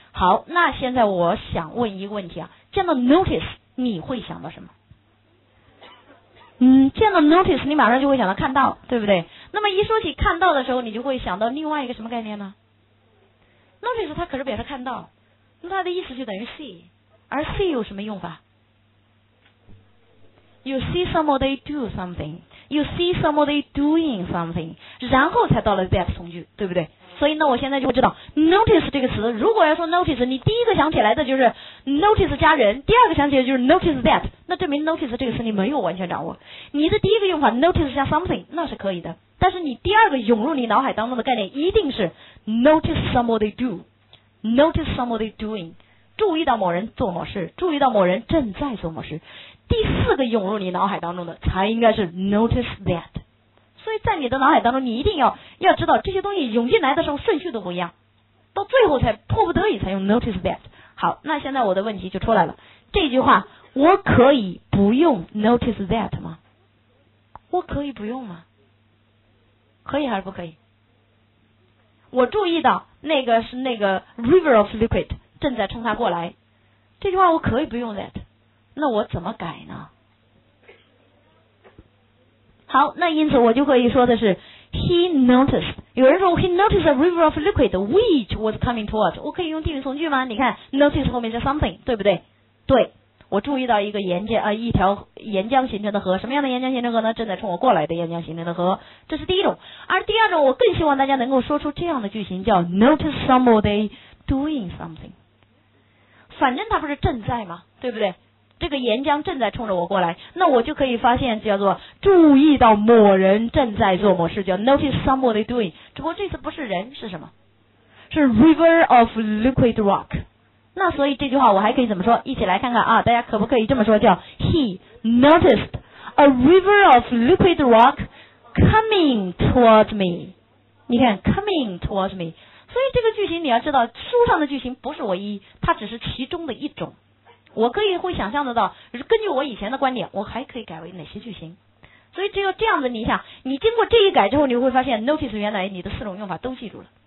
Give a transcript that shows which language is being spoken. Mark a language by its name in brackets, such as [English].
[Chinese] 好，那现在我想问一个问题啊，见到 notice 你会想到什么？见到 notice 你马上就会想到看到，对不对？那么一说起看到的时候，你就会想到另外一个什么概念呢？ notice 它可是表示看到，那它的意思就等于 see， 而 see 有什么用法？ [English] you see somebody do something， you see somebody doing something， [Chinese] 然后才到了 [English] that [Chinese] 从句，对不对？所以呢，我现在就会知道 notice 这个词，如果要说 notice， 你第一个想起来的就是 notice 加人，第二个想起来就是 notice that， 那证明 notice 这个词你没有完全掌握。你的第一个用法 notice 加 something 那是可以的，但是你第二个涌入你脑海当中的概念一定是 notice somebody do， notice somebody doing， 注意到某人做某事，注意到某人正在做某事。第四个涌入你脑海当中的才应该是 notice that。所以在你的脑海当中，你一定要知道这些东西涌进来的时候顺序都不一样，到最后才迫不得已才用 notice that。好，那现在我的问题就出来了，这句话我可以不用 notice that 吗？我可以不用吗？可以还是不可以？我注意到那个是那个 river of liquid 正在冲它过来，这句话我可以不用 that， 那我怎么改呢？好，那因此我就可以说的是 he noticed， 有人说 [English] he noticed a river of liquid which was coming towards， [Chinese] 我可以用定语从句吗？你看 notice 后面是 something， 对不对？对，我注意到一个一条岩浆形成的河，什么样的岩浆形成河呢？正在冲我过来的岩浆形成的河，这是第一种。而第二种我更希望大家能够说出这样的句型，叫 notice somebody doing something， 反正他不是正在吗？对不对？这个岩浆正在冲着我过来，那我就可以发现叫做注意到某人正在做某事，叫 notice somebody doing， 只不过这次不是人，是什么？ [English] 是 river of liquid rock。 [Chinese] 那所以这句话我还可以怎么说？一起来看看啊，大家可不可以这么说，叫 [English] he noticed a river of liquid rock coming towards me。 [Chinese] 你看 coming towards me， 所以这个句型你要知道，书上的句型不是唯一，它只是其中的一种。我可以会想象得到，根据我以前的观点，我还可以改为哪些句型。所以只有这样子，你想你经过这一改之后，你会发现 notice 原来你的四种用法都记住了。